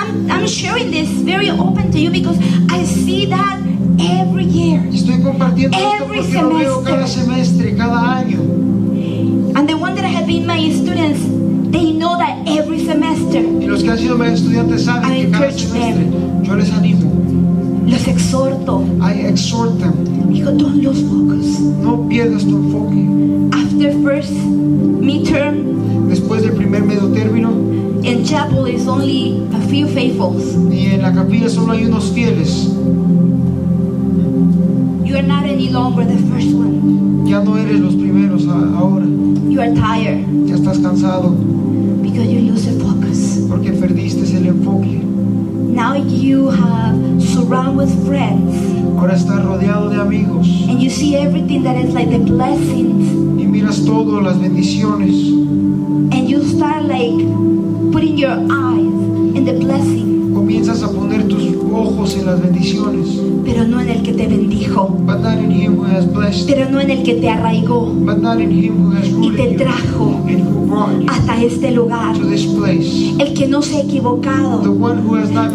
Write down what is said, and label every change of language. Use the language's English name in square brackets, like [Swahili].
[English] I'm sharing this very open to you because I see that every year. [Spanish] Estoy compartiendo [English] every [Spanish] esto porque [English] semester. [Spanish] Lo veo cada semestre, cada año. [English] And the one that have been my students, they know that every semester. [Spanish] Y los que han sido mis estudiantes saben que cada semestre [English] them. [Spanish] Yo les animo. Los exhorto. [English] I exhort them. [Spanish] Hijo, [English] don't lose focus. [Spanish] No pierdas tu enfoque. [English] After first midterm. [Spanish] Después del primer medio término. [English] In chapel is only a few faithfuls. [Spanish] Y en la capilla solo hay unos fieles. [English] You are not any longer the first one. [Spanish] Ya no eres los primeros ahora. [English] You are tired. [Spanish] Ya estás cansado. [English] Because you lose the focus. [Spanish] Porque perdiste el enfoque. [English] Now you have surrounded with friends. [Spanish] Ahora estás rodeado de amigos. [English] And you see everything that is like the blessings. [Spanish] Y miras todo, las bendiciones. [English] And you start like putting your eyes in the blessing. [Spanish] Comienzas a poner tus ojos en las bendiciones. Pero no en el que te bendijo. [English] But not in him who has blessed. [Spanish] Pero no en el que te arraigó. [English] But not in him who has rooted [Spanish] y te trajo. [English] You. And who brought you. [Spanish] Hasta este lugar. [English] To this place. [Spanish] El que no se ha equivocado. [English] The one who has not